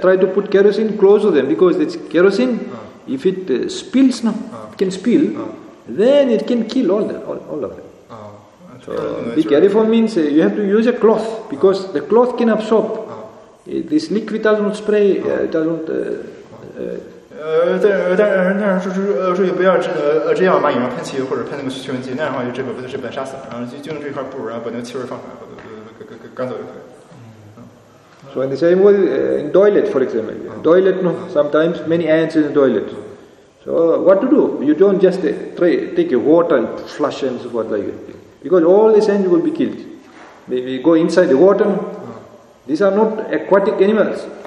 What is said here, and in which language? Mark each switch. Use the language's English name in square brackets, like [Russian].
[English] Try to put kerosene close to them because it's kerosene. If it spills now, it can spill. Then it can kill all of them. So be careful. Means you have to use a cloth because the cloth can absorb. This liquid doesn't spray. Doesn't. [Chinese] 但是说也不要直接往蚂蚁上喷汽油或者喷那个驱蚊剂，那样的话就这本杀死了。然后就用这块布，然后把那个气味放出来，赶走就可以。 [English] So in the same way, in toilet, for example, toilet, no, sometimes many ants in the toilet. So what to do? You don't just take your water and flush and so forth like that, because all these ants will be killed. Maybe go inside the water. These are not aquatic animals.